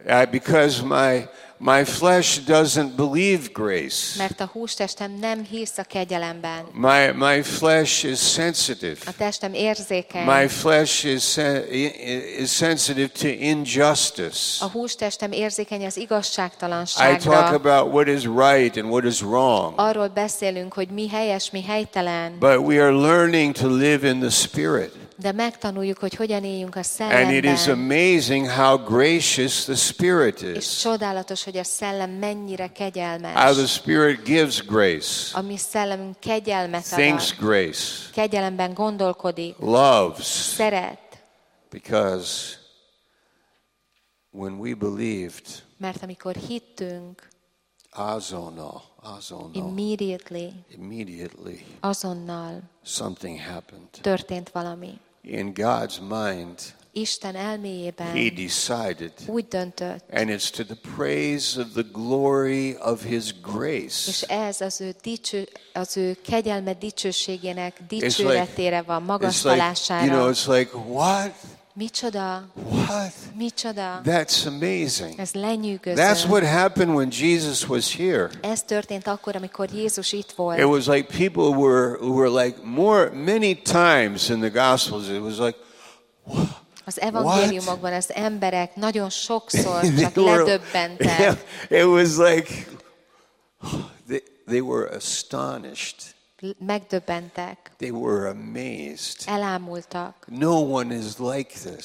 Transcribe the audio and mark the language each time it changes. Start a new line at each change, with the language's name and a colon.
English: Because my flesh doesn't believe grace.
Hungarian: Mert a hústestem nem hisz a kegyelemben.
English: My flesh is sensitive.
Hungarian: A testem érzékeny.
English: My flesh is sensitive to injustice.
Hungarian: A hústestem érzékeny az igazságtalanságra.
English: I talk about what is right and what is wrong.
Hungarian: Arról beszélünk, hogy mi helyes, mi helytelen.
English: But we are learning to live in the spirit.
Hungarian: De megtanuljuk, hogy hogyan éljünk a szellemben.
English: And it is amazing how gracious the Spirit is.
Hungarian: És csodálatos, hogy a szellem mennyire kegyelmes.
English: How the Spirit gives grace.
Hungarian: A mi szellemünk kegyelmet ad.
English: Thinks grace.
Hungarian: Kegyelemben gondolkodik.
English: Loves.
Hungarian: Szeret.
English: Because when we believed.
Hungarian: Mert amikor hittünk. Azonnal.
English: Immediately.
Hungarian: Azonnal.
English: Something happened.
Hungarian: Történt valami.
English: In God's mind.
Hungarian: Isten elméjében.
English: He decided.
Hungarian: Úgy döntött.
English: And it's to the praise of the glory of His grace.
Hungarian: És ez az ő kegyelme dicsőségének dicséretére van, magasztalására.
English: You know, it's like what?
Hungarian: Micsoda?
English: What?
Hungarian: Micsoda?
English: That's amazing.
Hungarian: Ez lenyűgöző.
English: That's what happened when Jesus was here.
Hungarian: Ez történt akkor, amikor Jézus itt volt.
English: It was like people were like more many times in the Gospels. It was like what?
Hungarian: Az evangéliumokban az emberek nagyon sokszor csak ledöbbentek.
English: It was like they were astonished.
Hungarian: Megdöbbentek.
English: They were amazed.
Hungarian: Elámultak.
English: No one is like this.